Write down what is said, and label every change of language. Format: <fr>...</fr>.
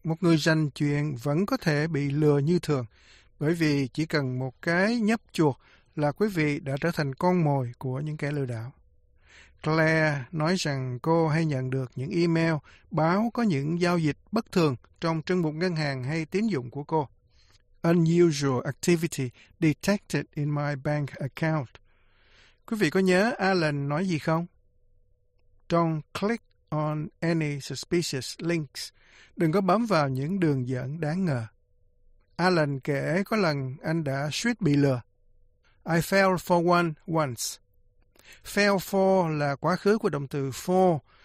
<vi>Một người dành chuyện vẫn có thể bị lừa như thường. Bởi vì chỉ cần một cái nhấp chuột là quý vị đã trở thành con mồi của những kẻ lừa đảo. Claire nói rằng cô hay nhận được những email báo có những giao dịch bất thường trong trưng mục ngân hàng hay tín dụng của cô.</vi> <en>Unusual activity detected in my bank account.</en> <vi>Quý vị có nhớ Alan nói gì không?</vi> <en>Don't click on any suspicious links.</en> <vi>Đừng có bấm vào những đường dẫn đáng ngờ. Alan kể có lần anh đã suýt bị lừa.</vi> <en>I fell for one once. Fell for</en> <vi>là quá khứ của động từ</vi> <en>fall.</en>